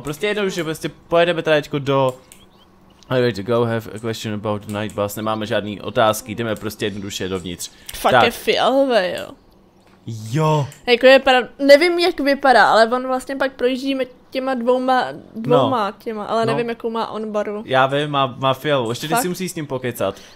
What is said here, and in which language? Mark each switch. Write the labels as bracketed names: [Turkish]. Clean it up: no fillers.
[Czech] Prostě jednou, že prostě pojedeme tadačko do... [English] I'm ready to go, have a question about the night bus. [Czech] Nemáme žádný otázky, jdeme prostě jednoduše dovnitř. Fakt tak. Je fialové, jo. Jo. Jako je pravda, nevím jak vypadá, ale on vlastně pak projíždí těma dvouma no. Těma, ale nevím jakou má on barvu. Já vím, má fialovou, ještě ty si musí s ním pokecat.